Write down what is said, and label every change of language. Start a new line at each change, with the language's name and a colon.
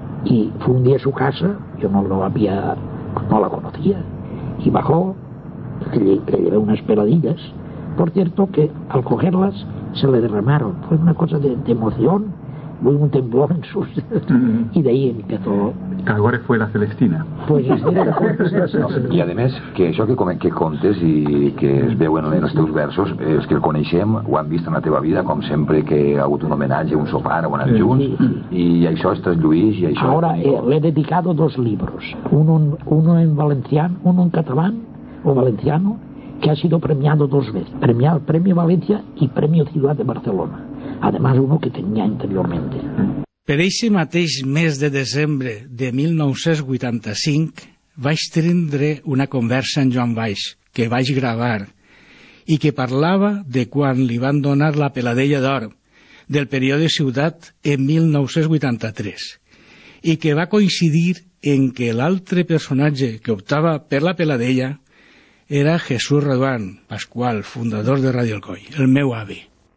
Spanish: Y fue un día a su casa, yo no la conocía, y bajó, le llevé unas peladillas. Por cierto, que al cogerlas se le derramaron. Fue una cosa de emoción, hubo un temblor en sus... Y de ahí empezó... Tagore fue la Celestina. Pues sí,
Catalan: i a més, que això que contes i que es veu en els teus versos, els que el coneixem ho han vist en la teva vida, com sempre que ha hagut un homenatge, un sopar, o anat junts, i això és traslluís, i això...
Spanish: Ahora, le he dedicado dos libros, uno en valencián, uno en catalán, o valenciano, que ha sido premiado dos veces, premiado Premio Valencia y Premio Ciudad de Barcelona, además uno que tenía anteriormente.
Catalan: Per eixe mateix mes de desembre de 1985 vaig tindre una conversa amb Joan Baix, que vaig gravar, i que parlava de quan li van donar la peladella d'or del període Ciutat en 1983, i que va coincidir en que l'altre personatge que optava per la peladella era Jesús Reduán Pascual, fundador de Ràdio Alcoi, el meu avi.